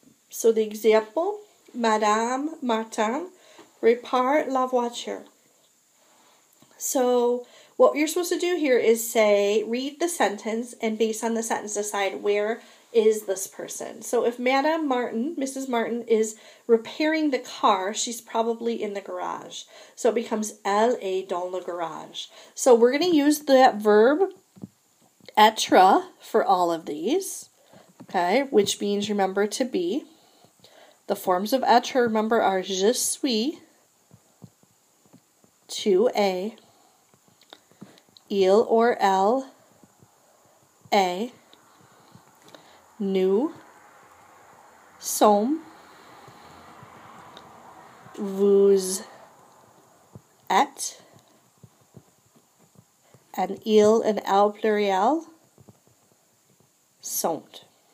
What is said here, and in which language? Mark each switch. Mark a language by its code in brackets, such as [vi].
[en] So the example, [fr] Madame Martin répare la voiture. [en] So what you're supposed to do here is say, read the sentence, and based on the sentence, decide where is this person. So if Madame Martin, Mrs. Martin, is repairing the car, she's probably in the garage. So it becomes, [fr] elle est dans le garage. [en] So we're going to use that verb, être, for all of these, okay? Which means, remember, to be. The forms of être, remember, are [fr] je suis, tu es, [en] il or elle, a, nous, sommes, [fr] vous êtes, [en] and il and elle pluriel, sont.